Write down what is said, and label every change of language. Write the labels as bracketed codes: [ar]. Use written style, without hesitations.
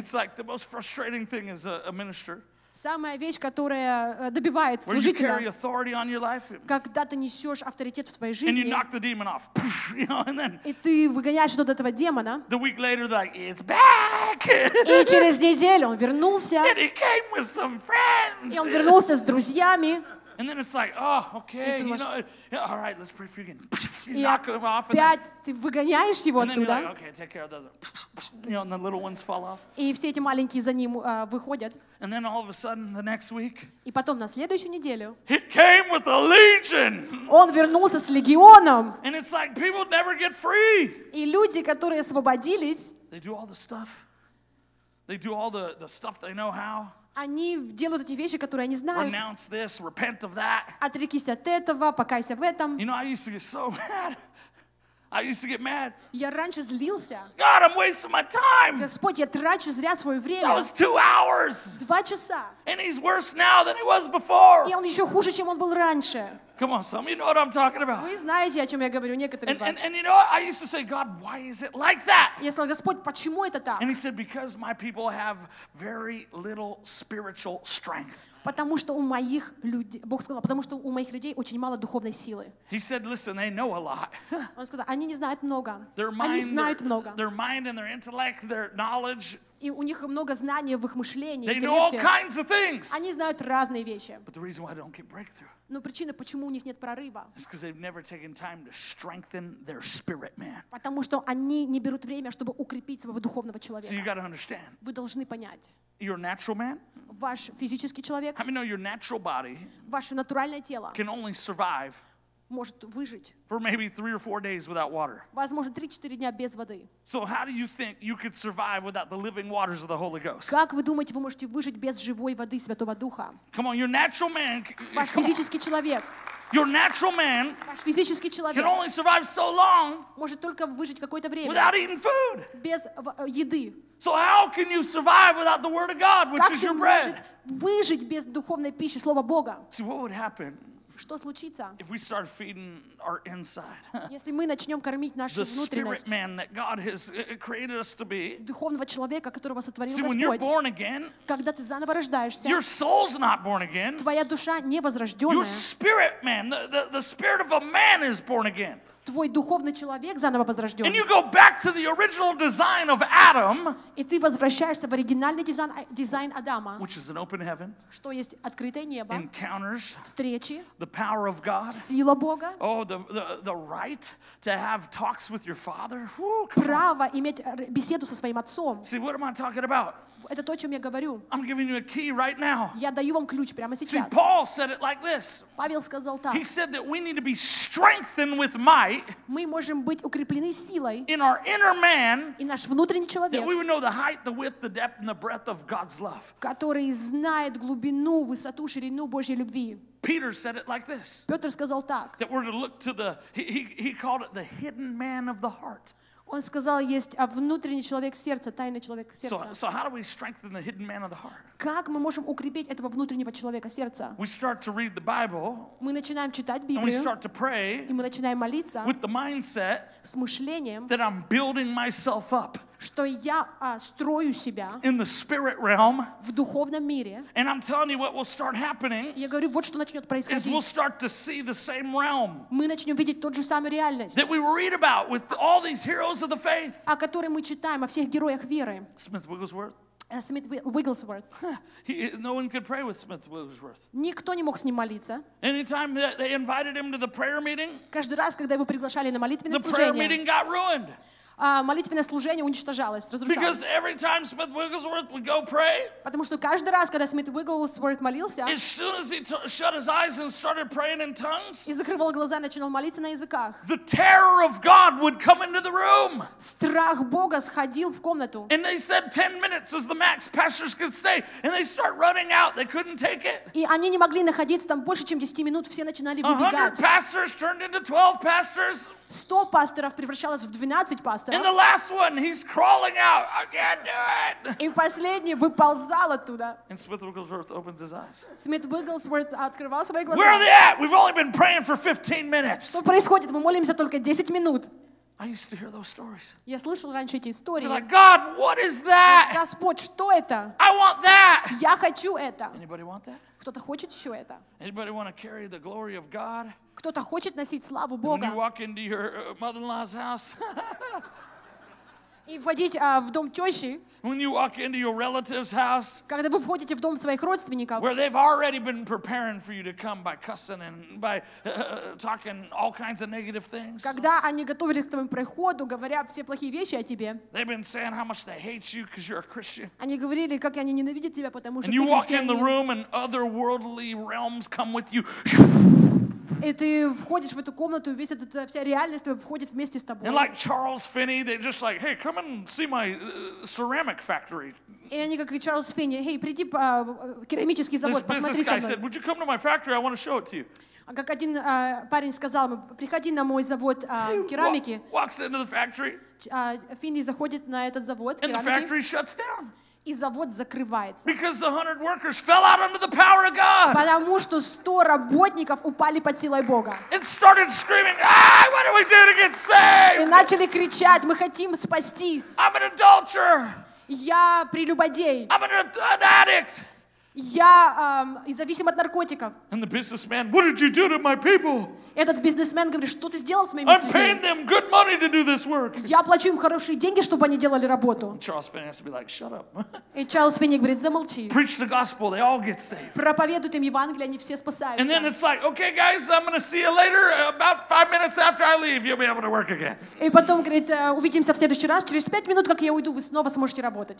[en] And it's like the most frustrating thing as a minister. [ru] Самая вещь, которая добивает служителя, когда ты несешь авторитет в своей жизни, [en] and you knock the demon off, you know, and then, [ru] и ты выгоняешь что-то от этого демона, [en] the week later, like, it's back. [ru] И через неделю он вернулся, [en] and he came with some friends. [ru] И он вернулся с друзьями. [en] And then it's like, oh, okay, you know, all right, let's pray for you again. You knock him off, and then you're like, okay, take care of those. You know, and the little ones fall off. [ru] И все эти маленькие за ним выходят. [en] And then all of a sudden, the next week. [ru] И потом на следующую неделю. [en] He came with a legion. [ru] Он вернулся с легионом. [en] And it's like people never get free. [ru] И люди, которые освободились. [en] They do all the stuff. They do all the stuff they know how. [ru] Они делают эти вещи, которые они знают. [en] Renounce this, repent of that. [ru] Отрекись от этого, покайся в этом. [en] You know, I used to get so mad. I used to get mad. [ru] Я раньше злился. [en] God, I'm wasting my time. [ru] Господь, я трачу зря свое время. [en] That was 2 hours. [ru] 2 часа. [en] And he's worse now than he was before. [ru] И он еще хуже, чем он был раньше. [en] Come on, some of you know what I'm talking about. [ru] Вы знаете, о чем я говорю, некоторые из вас. [en] And you know what? I used to say, God, why is it like that? [ru] Я сказал, Господь, почему это так? [en] And he said, because my people have very little spiritual strength. [ru] Потому что у моих людей, Бог сказал, потому что у моих людей очень мало духовной силы. [en] He said, listen, they know a lot. [ru] Он сказал, они не знают много. Они знают много. [en] Their mind and their intellect, their knowledge. [ru] И у них много знаний в их мышлении. [en] They know all kinds of things. [ru] Они знают разные вещи. [en] But the reason why they don't get breakthrough. [ru] Но причина, почему у них нет прорыва. [en] It's because they've never taken time to strengthen their spirit, man. [ru] Потому что они не берут время, чтобы укрепить своего духовного человека. [en] So you got to understand. [ru] Вы должны понять. [en] Your natural man? [ru] Ваш физический человек? [en] How many know your natural body? [ru] Ваше натуральное тело? [en] Can only survive. [ru] Может выжить. [en] For maybe 3 or 4 days without water. [ru] Возможно 3-4 дня без воды. [en] So how do you think you could survive without the living waters of the Holy Ghost? [ru] Как вы думаете, вы можете выжить без живой воды Святого Духа? [en] Come on, your natural man. [ru] Ваш физический человек. [en] Your natural man. [ru] Ваш физический человек. [en] Can only survive so long. [ru] Может только выжить какое-то время. [en] Without eating food. [ru] Без еды. [en] So how can you survive without the Word of God, which is your bread? [ru] Как выжить без духовной пищи Слова Бога? [en] See what would happen. [ru] Что случится? [en] If we start feeding our inside. [ru] Если мы начнем кормить нашу внутренность. [en] The spirit man that God has created us to be. [ru] Духовного человека, которого сотворил Господь. [en] See, when you're born again. [ru] Когда ты заново рождаешься. [en] Your soul's not born again. [ru] Твоя душа не возрожденная. [en] Your spirit man, the spirit of a man is born again. [ru] Твой духовный человек заново возрожден. [en] And you go back to the original design of Adam. [ru] И ты возвращаешься в оригинальный дизайн Адама. [en] Which is an open heaven. [ru] Что есть открытое небо. [en] Encounters. [ru] Встречи. [en] The power of God. [ru] Сила Бога. [en] Oh, the right to have talks with your father. [ru] Право иметь беседу со своим отцом. [en] See, what am I talking about? [ru] Это то, о чем я говорю. [en] I'm giving you a key right now. [ru] Я даю вам ключ прямо сейчас. [en] See, Paul said it like this. [ru] Павел сказал так. [en] He said that we need to be strengthened with might. [ru] Мы можем быть укреплены силой. [en] In our inner man. [ru] И наш внутренний человек. [en] That we would know the height, the width, the depth, and the breadth of God's love. [ru] Который знает глубину, высоту, ширину Божьей любви. [en] Peter said it like this. [ru] Петр сказал так. [en] That we're to look to the he called it the hidden man of the heart. [ru] Он сказал, есть внутренний человек сердца, тайный человек сердца. [en] So how do we strengthen the hidden man of the heart? [ru] Как мы можем укрепить этого внутреннего человека сердца? [en] We start to read the Bible. [ru] Мы начинаем читать Библию. [en] And we start to pray. [ru] И мы начинаем молиться. [en] With the mindset. [ru] С мышлением. [en] That I'm building myself up. [ru] Что я строю себя. [en] In the spirit realm. [ru] В духовном мире. [en] And I'm telling you what will start happening. [ru] Я говорю, вот что начнет происходить. [en] Is we'll start to see the same realm. [ru] Мы начнем видеть тот же самый реальность. [en] That we read about with all these heroes of the faith. [ru] О которой мы читаем, о всех героях веры. Смит Уигглсворт. [en] Smith Wigglesworth. No one could pray with Smith Wigglesworth. [ru] Никто не мог с ним молиться. [en] Anytime they invited him to the prayer meeting. [ru] Каждый раз, когда его приглашали на молитвенное служение. [en] The prayer meeting got ruined. [ru] Молитвенное служение уничтожалось, разрушалось. [en] Because every time Smith Wigglesworth would go pray. [ru] Потому что каждый раз, когда Смит Уигглсворт молился. [en] As soon as he shut his eyes and started praying in tongues. [ru] И закрывал глаза, начинал молиться на языках. [en] The terror of God would come into the room. [ru] Страх Бога сходил в комнату. [en] And they said 10 minutes was the max pastors could stay, and they start running out. They couldn't take it. [ru] И они не могли находиться там больше чем 10 минут, все начинали выбегать. [en] 100 pastors turned into 12 pastors. [ru] 100 пасторов превращалось в 12 пасторов. [en] And the last one, he's crawling out. I can't do it. [ru] И последний выползал оттуда. [en] And Smith Wigglesworth opens his eyes. [ru] Smith Wigglesworth открывал свои глаза. [en] Where are they at? We've only been praying for 15 minutes. [ru] Что происходит? Мы молимся только 10 минут. [en] I used to hear those stories. [ru] Я слышал раньше эти истории. [en] Like, God, what is that? [ru] Господь, что это? [en] I want that. [ru] Я хочу это. [en] Anybody want that? [ru] Кто-то хочет еще это? [en] Anybody want to carry the glory of God? [ru] Кто-то хочет носить славу Бога. [en] When you walk into your mother-in-law's house. [ru] И входить в дом тещи. [en] When you walk into your relative's house. [ru] Когда вы входите в дом своих родственников. [en] Where they've already been preparing for you to come by cussing and by talking all kinds of negative things. [ru] Когда они готовились к твоему приходу, говоря все плохие вещи о тебе. [en] They've been saying how much they hate you because you're a Christian. [ru] Они говорили, как они ненавидят тебя, потому что ты христианин. [en] And you walk in the room and other worldly realms come with you. [ru] И ты входишь в эту комнату, весь этот вся реальность входит вместе с тобой. [en] And like Charles Finney, they're just like, hey, come and see my ceramic factory. [ru] И они как и Чарльз Финни, hey, приди по керамический завод, посмотри со мной. [en] This guy said, would you come to my factory? I want to show it to you. [ru] Как один парень сказал ему, приходи на мой завод керамики. [en] Walks into the factory. [ru] Финни заходит на этот завод керамики. [en] And the factory shuts down. [ru] И завод закрывается. [en] Because the 100 workers fell out under the power of God. [ru] Потому что 100 работников упали под силой Бога. [en] And started screaming, "Ah, what do we do to get saved?" [ru] И начали кричать, мы хотим спастись. [en] I'm an adulterer. [ru] Я прелюбодей. [en] I'm an addict. [ru] Я зависим от наркотиков. [en] And the businessman, "What did you do to my people?" [ru] Этот бизнесмен говорит, что ты сделал с моими людьми? [en] I'm paying them good money to do this work. [ru] Я плачу им хорошие деньги, чтобы они делали работу. [en] Charles Finney has to be like, shut up. [ru] И Чарльз Финни говорит, замолчи. [en] Preach the gospel, they all get saved. [ru] Проповедуй им Евангелие, они все спасаются. [en] And then it's like, okay, guys, I'm going to see you later. About 5 minutes after I leave, you'll be able to work again. [ru] И потом говорит, увидимся в следующий раз. Через 5 минут, как я уйду, вы снова сможете работать.